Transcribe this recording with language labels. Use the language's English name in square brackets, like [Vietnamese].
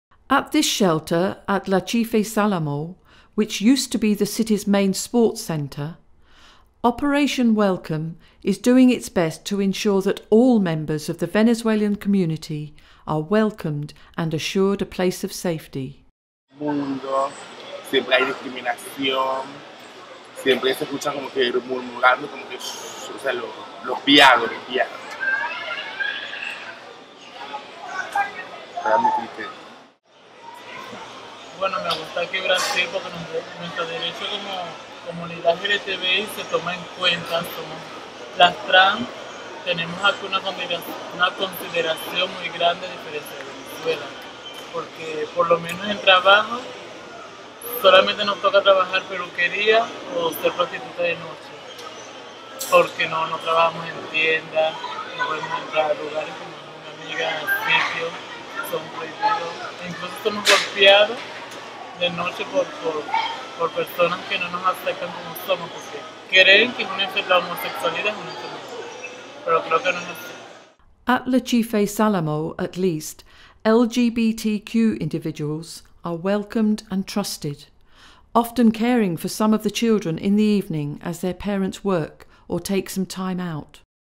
[English] At this shelter at Lachife Salamo, which used to be the city's main sports centre, Operation Welcome is doing its best to ensure that all members of the Venezuelan community are welcomed and assured a place of safety. [Spanish] Mundo, siempre hay discriminación. Siempre se escucha como que murmurando, como que, o sea, los piados. Está muy triste. Bueno, me gusta que Brasil, porque nuestro derecho como comunidad LGTBI se toma en cuenta. Somos las trans, tenemos aquí una consideración muy grande diferente de Venezuela. Porque por lo menos en trabajo, solamente nos toca trabajar peluquería o ser prostituta de noche. Porque no trabajamos en tiendas, no podemos entrar a lugares como una amiga, sitios, son prohibidos. Incluso somos golpeados de noche por personas que no nos aceptan como somos, porque creen que la homosexualidad es una enfermedad, pero creo que no es así. [English] At Lachife Salamo, at least, LGBTQ individuals are welcomed and trusted, often caring for some of the children in the evening as their parents work or take some time out.